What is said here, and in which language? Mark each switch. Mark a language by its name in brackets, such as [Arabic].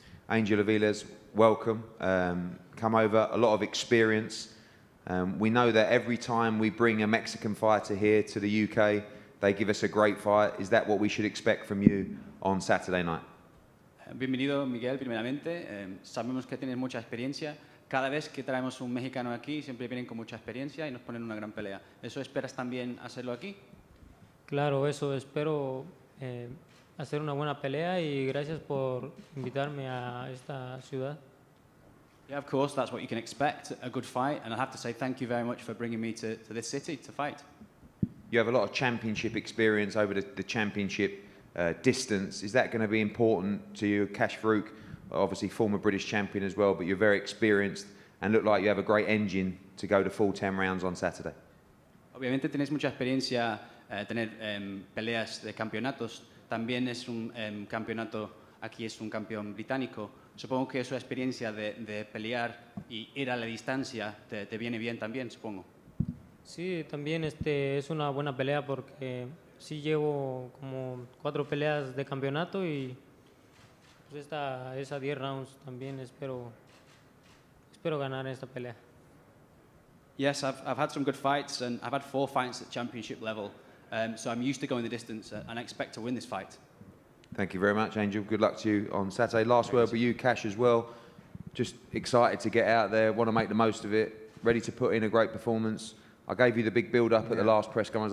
[English] Angel Aviles, welcome. Come over. A lot of experience. We know that every time we bring a Mexican fighter here to the UK, they give us a great fight. Is that what we should expect from you on Saturday night? [Spanish] Bienvenido, Miguel, primeramente. Sabemos que tienes mucha experiencia. Cada vez que traemos un mexicano aquí, siempre vienen con mucha experiencia y nos ponen una gran pelea. ¿Eso esperas también hacerlo aquí? Claro, eso espero hacer una buena pelea y gracias por invitarme a esta ciudad. [English] Yeah, of course, that's what you can expect, a good fight. And I have to say thank you very much for bringing me to this city to fight. You have a lot of championship experience over the championship distance. Is that going to be important to you? Cash Farouk, obviously former British champion as well, but you're very experienced and look like you have a great engine to go to full 10 rounds on Saturday. [Spanish] Obviamente tienes mucha experiencia tener peleas de campeonatos. También es un campeonato, aquí es un campeón británico. Supongo que su experiencia de pelear y ir a la distancia te viene bien también, supongo. Sí, también es una buena pelea porque sí llevo como 4 peleas de campeonato y pues esa 10 rounds también espero ganar esta pelea. [English] Yes, I've had some good fights and I've had 4 fights at championship level. So I'm used to going the distance and I expect to win this fight. Thank you very much, Angel. Good luck to you on Saturday. Last word for you, Cash, as well. Just excited to get out there, want to make the most of it, ready to put in a great performance. I gave you the big build-up at the last press conference.